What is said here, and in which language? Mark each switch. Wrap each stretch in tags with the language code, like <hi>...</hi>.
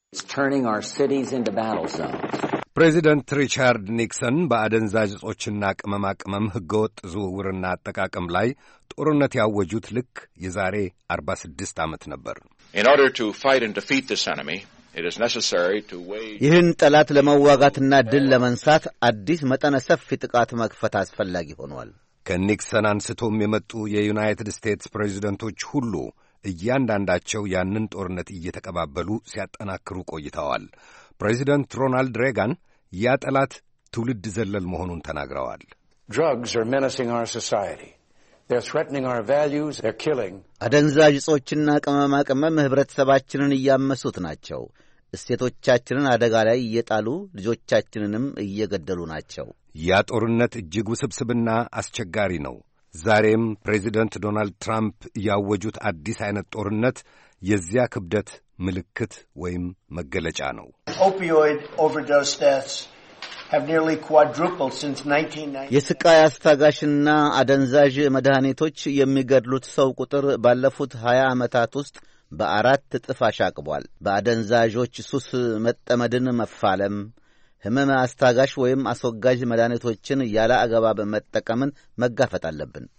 <en>It's turning our cities into battle zones.</en> <am>ፕሬዚደንት ሪቻርድ ኒክሰን በአደንዛዥ እጾችና ቅመማ ቅመም ሕገወጥ ዝውውርና አጠቃቀም ላይ ጦርነት ያወጁት ልክ የዛሬ 46 ዓመት ነበር።</am> <en>In order to fight and defeat this enemy, It is necessary to wage</en> <am>ይህን ጠላት ለመዋጋትና ድል ለመንሳት አዲስ መጠነ ሰፊ ጥቃት መክፈት አስፈላጊ ሆኗል። ከኒክሰን አንስቶም የመጡ የዩናይትድ ስቴትስ ፕሬዝደንቶች ሁሉ እያንዳንዳቸው ያንን ጦርነት እየተቀባበሉ ሲያጠናክሩ ቆይተዋል። ፕሬዝደንት ሮናልድ ሬጋን ያ ጠላት ትውልድ ዘለል መሆኑን ተናግረዋል።</am> <en>Drugs are menacing our society. They're threatening our values. They're killing.</en> <am>አደንዛዥ እጾችና ቅመማ ቅመም ህብረተሰባችንን እያመሱት ናቸው። እሴቶቻችንን አደጋ ላይ እየጣሉ ልጆቻችንንም እየገደሉ ናቸው። ያ ጦርነት እጅግ ውስብስብና አስቸጋሪ ነው። ዛሬም ፕሬዚደንት ዶናልድ ትራምፕ ያወጁት አዲስ አይነት ጦርነት የዚያ ክብደት ምልክት ወይም መገለጫ ነው።</am> <en>Opioid overdose deaths have nearly quadrupled since 1990.</en> <am>የስቃይ አስታጋሽና አደንዛዥ መድኃኒቶች የሚገድሉት ሰው ቁጥር ባለፉት 20 ዓመታት ውስጥ በአራት እጥፍ አሻቅቧል። በአደንዛዦች ሱስ መጠመድን መፋለም፣ ህመም አስታጋሽ ወይም አሶጋጅ መድኃኒቶችን ያለ አግባብ መጠቀምን መጋፈጥ አለብን።</am>